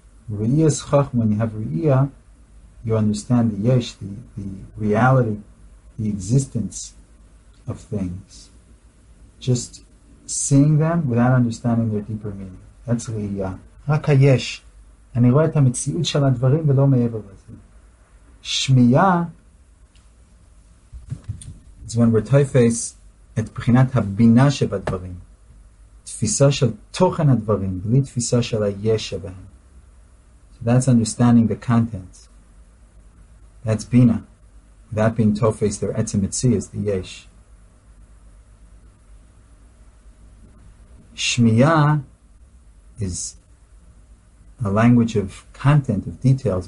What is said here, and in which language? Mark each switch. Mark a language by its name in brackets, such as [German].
[English] Ri'ya is Chochma. When you have Ri'ya, you understand the yesh, the reality, the existence of things. Just seeing them without understanding their deeper meaning. That's Ri'ya. Rak ha-yesh. [Hebrew] אני רואה את המציאות של הדברים ולא מעבר לזה. שמיעה, it's when we're toyfes את בחינת הבינה שבדברים. תפיסה של תוכן הדברים, בלי תפיסה של היש שבהם. [English] So that's understanding the content. That's בינה. That being toyfes, their עצם מציא is the יש. שמיעה is a language of content, of details.